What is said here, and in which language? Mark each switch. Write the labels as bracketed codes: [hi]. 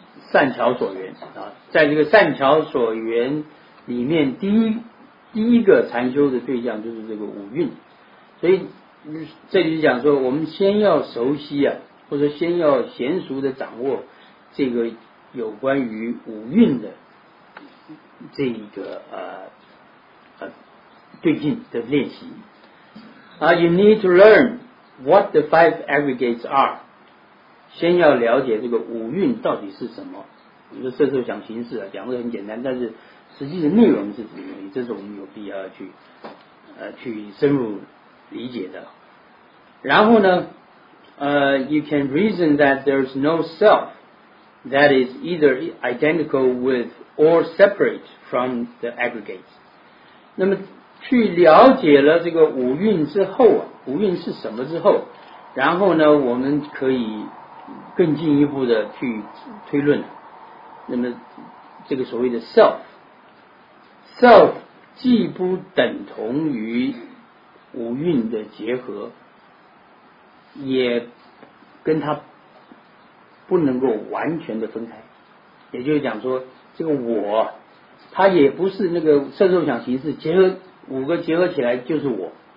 [zh] 善巧所缘啊，在这个善巧所缘里面第一个禅修的对象就是这个五蕴。所以这里讲说我们先要熟悉啊，或者先要娴熟的掌握这个有关于五蕴的这一个对境的练习。 [en] You need to learn what the five aggregates are. [zh] 先要了解这个五蕴到底是什么。我们说这时候讲形式啊，讲得很简单，但是实际的内容是什么，这是我们有必要去深入理解的。然后呢 [en] you can reason that there's no self that is either identical with or separate from the aggregates. [zh] 那么去了解了这个五蕴之后啊，五蕴是什么之后，然后呢我们可以更进一步的去推论。那么这个所谓的 self 既不等同于五蕴的结合，也跟它不能够完全的分开，也就是讲说这个我它也不是那个色受想行识结合，五个结合起来就是我。